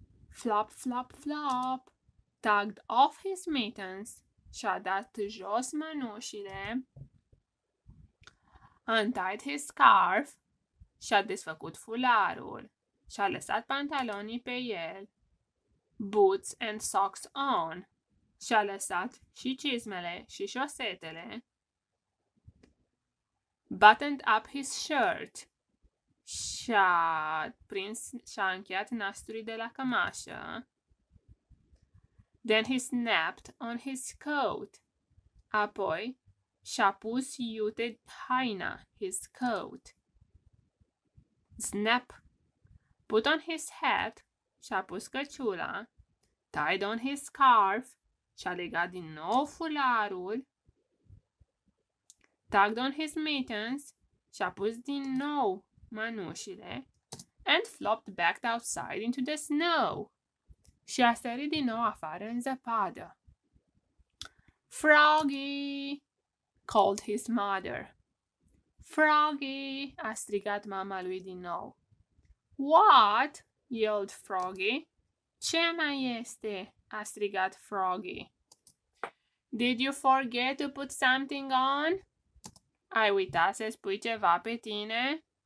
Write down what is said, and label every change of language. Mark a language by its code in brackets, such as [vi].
[en] Flop, flop, flop, tugged off his mittens, [ro] și-a dat jos mănușile, [en] untied his scarf, [ro] și-a desfăcut fularul, și-a lăsat pantalonii pe el, [en] boots and socks on, [ro] și-a lăsat și cizmele și șosetele, [en] buttoned up his shirt, [ro] și-a prins, și-a încheiat nasturii de la cămașă. [en] Then he snapped on his coat. [ro] Apoi, și-a pus iute haina, [en] his coat. Snap. Put on his hat, [ro] și-a pus căciula. [en] Tied on his scarf, [ro] și-a legat din nou fularul. [en] Tugged on his mittens, [ro] și-a pus din nou mănușile. [en] And flopped back outside into the snow. [ro] Și a sărit din nou afară în zăpadă. [en] Froggy, called his mother. [ro] Froggy, a strigat mama lui din nou. [en] What? Yelled Froggy. Ce mai este? [ro] A strigat Froggy. [en] Did you forget to put something on? [ro] Ai uitat să spui ceva pe tine?